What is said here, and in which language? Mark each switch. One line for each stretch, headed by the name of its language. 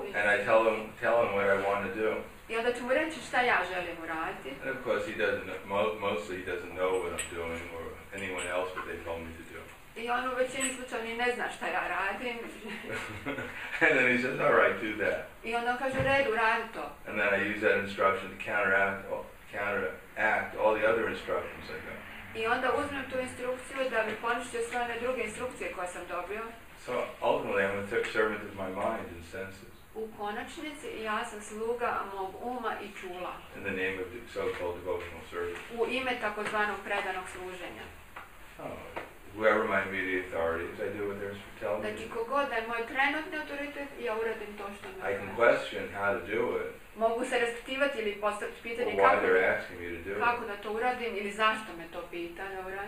English: And I tell him what I want to do.
Croatian: I onda ću mu reći šta ja želim uraditi.
English: And of course he doesn't, mostly he doesn't know what I'm doing or anyone else what they told me to do.
Croatian: I on u većini slučaja ne zna šta ja radim.
English: And then he says, all right, do that.
Croatian: I onda kaže, red, uradi to.
English: And then I use that instruction to counteract all the other instructions I got.
Croatian: I onda uzmem tu instrukciju da bi poništio sve one druge instrukcije koje sam dobio.
English: So ultimately I'm a servant of my mind and senses.
Croatian: U konačnici ja sam sluga mog uma i čula.
English: In the name of the so-called devotional service.
Croatian: U ime takozvanog predanog služenja.
English: Oh, whoever my immediate authority is, I do what they're telling me.
Croatian: Znači, kogod je moj trenutni autoritet, ja uradim to što mi je.
English: I can question how to do it.
Croatian: Mogu se raspitivati ili postaviti pitanje kako da to uradim ili zašto me to pita da uradim.